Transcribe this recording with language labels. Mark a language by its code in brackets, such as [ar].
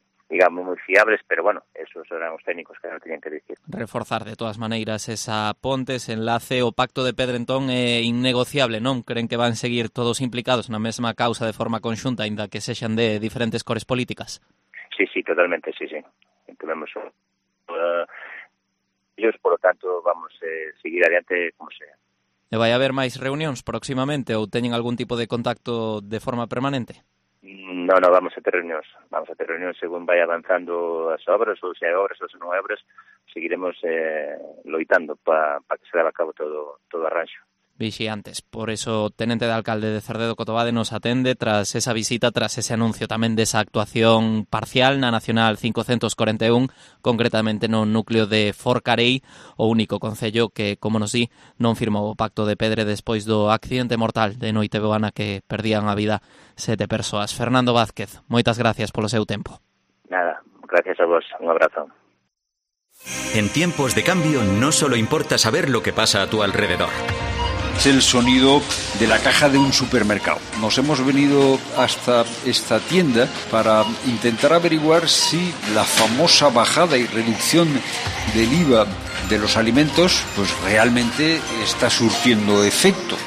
[gl] digamos, moi fiables, pero, bueno, esos eran os técnicos que non teñen que dicir. Reforzar, de todas maneiras, esa ponte, ese enlace, o Pacto de Pedre, entón, é innegociable, non? Creen que van seguir todos implicados na mesma causa de forma conxunta, aínda que sexan de diferentes cores políticas? Sí, totalmente, sí. Entendemos. [es] Ellos, por lo tanto, vamos a seguir adiante como sea. [gl] ¿E vai haber máis reunións próximamente ou teñen algún tipo de contacto de forma permanente? No, vamos a ter reunións según vai avanzando as obras, ou se hai obras ou se non hai obras, seguiremos loitando para que se leve a cabo todo arranxo. vixiantes. Por eso, tenente de alcalde de Cerdedo Cotobade nos atende tras esa visita, tras ese anuncio tamén desa actuación parcial na Nacional 541, concretamente no núcleo de Forcarei, o único concello que, como nos di, non firmou o pacto de pedre despois do accidente mortal de Noiteboa que perdían a vida 7 persoas. Fernando Vázquez, moitas gracias polo seu tempo. Nada, gracias a vos. Un abrazo. [es] En tiempos de cambio, no solo importa saber lo que pasa a tu alrededor. Es el sonido de la caja de un supermercado. Nos hemos venido hasta esta tienda para intentar averiguar si la famosa bajada y reducción del IVA de los alimentos, pues realmente está surtiendo efecto.